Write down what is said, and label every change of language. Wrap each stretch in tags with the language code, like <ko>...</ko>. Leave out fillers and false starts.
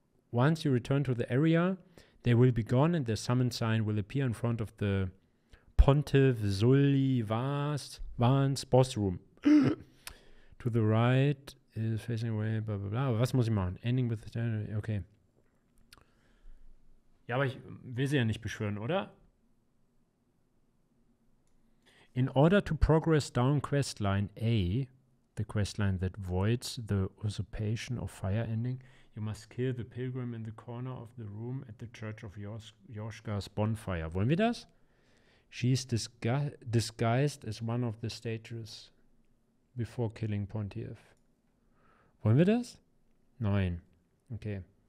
<en>Once you return to the area, they will be gone and the summon sign will appear in front of the Pontiff Sully Vance Boss Room. To the right is facing away, blah, blah, blah.</en> <de>Was muss ich machen?</de> <en>Ending with the...</en> <de>Okay. Ja, aber ich will sie ja nicht beschwören, oder?</de> <en>In order to progress down questline A, the questline that voids the usurpation of fire ending, you must kill the pilgrim in the corner of the room at the Church of Yoshka's bonfire.</en> <de>Wollen wir das?</de> <en>She is disguised as one of the statues before killing Pontiff.</en> <de>Wollen wir das? Nein.</de> <en>Okay.</en>